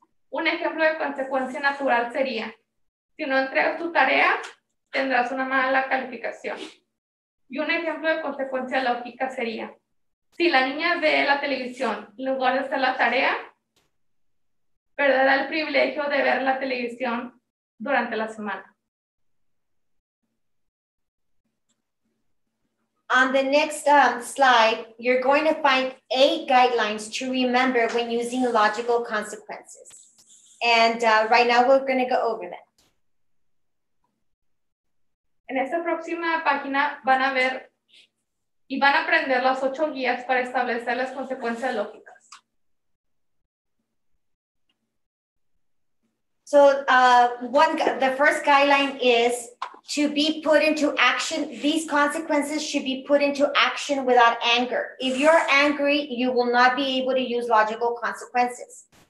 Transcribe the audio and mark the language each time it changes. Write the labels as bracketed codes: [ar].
[es] Un ejemplo de consecuencia natural sería, si no entregas tu tarea, tendrás una mala calificación. Y un ejemplo de consecuencia lógica sería, si la niña ve la televisión en lugar de hacer la tarea, perderá el privilegio de ver la televisión durante la semana. [en] On the next slide, you're going to find 8 guidelines to remember when using logical consequences. And right now we're going to go over them. [es] En esta próxima página van a ver y van a aprender las 8 guías para establecer las consecuencias lógicas. [en] So the first guideline is to be put into action. These consequences should be put into action without anger. If you're angry, you will not be able to use logical consequences.